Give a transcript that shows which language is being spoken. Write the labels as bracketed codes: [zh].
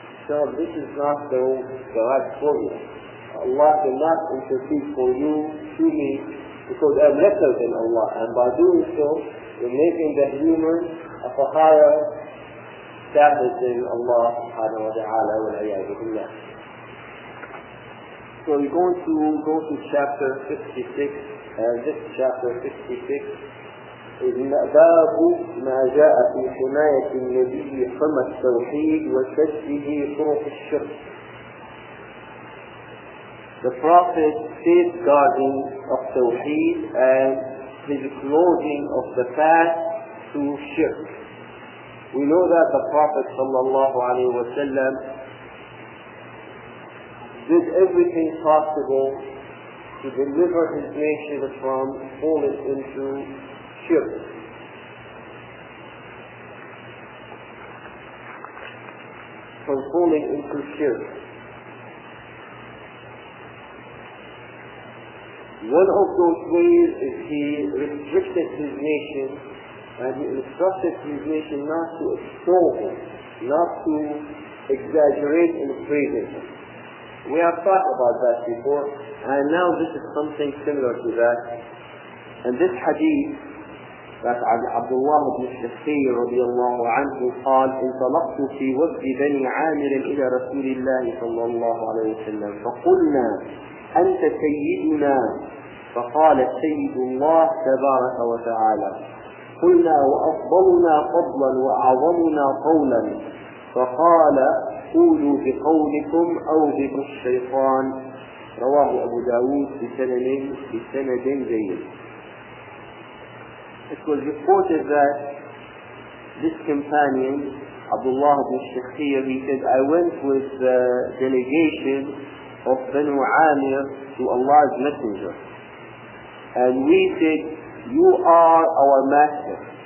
[en] So this is not the right formula. Allah cannot intercede for you to me because I'm lesser than Allah. And by doing so, you're making the human of a higher status than Allah subhanahu wa ta'ala wa al-ayyadu billah. So we're going to go to chapter 56. And this chapter 56 [ar] باب ما جاء في حماية النبي حمى التوحيد وسده طرق الشرك. [en] The Prophet safeguarding of Tawheed and his clothing of the path to shirk. We know that the Prophet صلى الله عليه وسلم did everything possible to deliver his nation from falling into shirk. From falling into shirk. One of those ways is he restricted his nation and he instructed his nation not to extol him, not to exaggerate in praising him. We have talked about that before, and now this is something similar to that. And this hadith that [ar] عبد الله بن الشخير رضي الله عنه قال انطلقت في وفد بني عامر إلى رسول الله صلى الله عليه وسلم فقلنا أنت سيدنا فقال سيد الله تبارك وتعالى قلنا وأفضلنا فضلا وأعظمنا قولا فقال قولوا بقولكم أو بقول الشيطان رواه أبو داود بسند جيد. [en] It was reported that this companion, Abdullah ibn Shakhir, he said, I went with the delegation of Banu Amir to Allah's Messenger. and we said, "You are our master."